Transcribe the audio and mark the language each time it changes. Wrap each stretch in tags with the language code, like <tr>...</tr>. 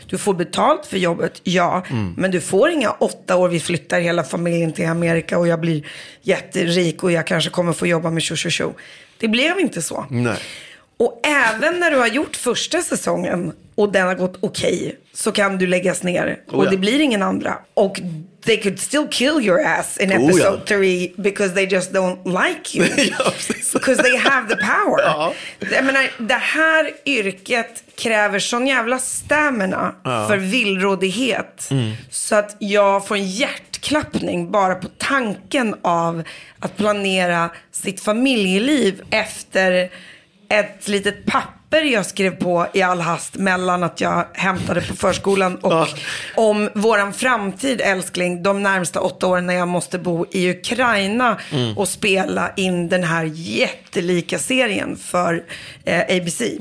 <sv>Du får betalt för jobbet, ja. Mm. Men du får inga 8 år, vi flyttar hela familjen till Amerika och jag blir jätterik och jag kanske kommer få jobba med tjo. Det blev inte så. Nej. Och även när du har gjort första säsongen och den har gått okej, så kan du läggas ner. Oh, ja. Och det blir ingen andra. Och</sv> <en>they could still kill your ass in episode 3 because they just don't like you. Because they have the power.</en> <sv>Ja. Jag menar, det här yrket kräver sån jävla stamina, ja, för villrådighet. Mm. Så att jag får en hjärtklappning bara på tanken av att planera sitt familjeliv efter ett litet papper jag skrev på i all hast mellan att jag hämtade på förskolan och om våran framtid, älskling, de närmsta 8 åren när jag måste bo i Ukraina och spela in den här jättelika serien för ABC.</sv>